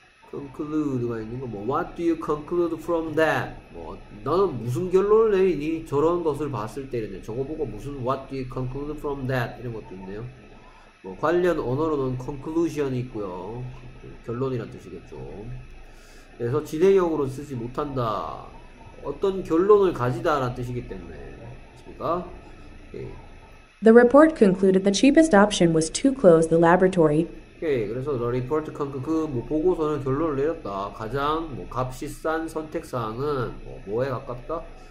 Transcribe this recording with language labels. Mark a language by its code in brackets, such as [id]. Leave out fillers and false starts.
[en] conclude가 [ko] 있는 거 뭐 [en] what do you conclude from that? [ko] 뭐 너는 무슨 결론을 내리니? 저런 것을 봤을 때 이랬네. 저거 보고 무슨 [en] what do you conclude from that? [ko] 이런 것도 있네요. 뭐 관련 언어로는 conclusion이 있고요. 결론이란 뜻이겠죠. 그래서 진행형으로 쓰지 못한다. 어떤 결론을 가지다라는 뜻이기 때문에. 그렇습니까? 오케이. [en] The report concluded the cheapest option was to close the laboratory. [ko] 오케이. 그래서 [en] the report concluded [ko] 그 뭐 보고서는 결론을 내렸다. 가장 뭐 값이 싼 선택 사항은 뭐에 가깝다?